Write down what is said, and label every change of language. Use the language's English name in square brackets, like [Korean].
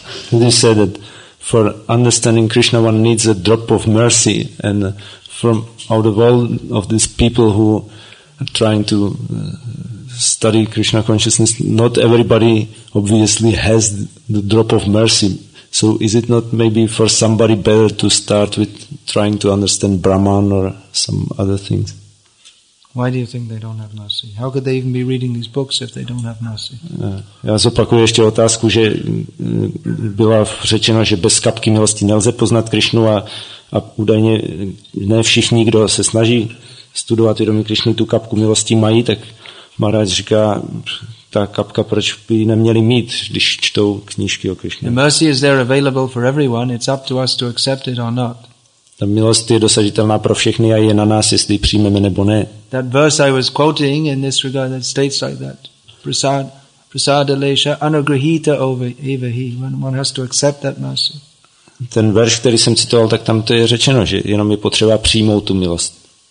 [English] They said that for understanding Krishna, one needs a drop of mercy, and from out of all of these people who are trying to study Krishna consciousness, not everybody obviously has the drop of mercy. So is it not maybe for somebody better to start with trying to understand Brahman or some other things? Why do you think they don't have mercy? How could they even be reading these books if they don't have mercy? [Czech] Já zopakuju ještě otázku, že byla řečeno, že bez kapky milosti nelze poznat Krišnu a údajně ne všichni, kdo se snaží studovat vědomí Krišny, tu kapku milosti mají, tak Maharaj říká, ta kapka, proč by ji neměli mít, když čtou knížky o Krišně. [English] The mercy is there available for everyone, it's up to us to accept it or not. [Czech] Ta milost je dosažitelná pro všechny a je na nás, jestli ji přijmeme nebo ne. [English] That verse I was quoting in this regard that states like that. [Sanskrit] Prasada lesha anugrahita evahi. [English] One has to accept that mercy. [Czech] Ten verš, který jsem citoval, tak tam to je řečeno, že jenom je potřeba přijmout tu milost.